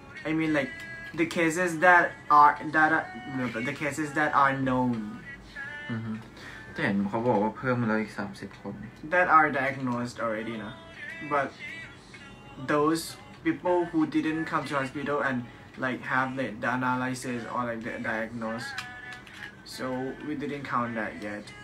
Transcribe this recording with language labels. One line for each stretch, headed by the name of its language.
English: I mean like the cases that are, the cases that are known.
Thai: เห็นเขาบอกว่าเพิ่มแล้วอีก30คน
English: That are diagnosed already นะ But those people who didn't come to hospital andLike have the analysis or like the diagnosis, so we didn't count that yet.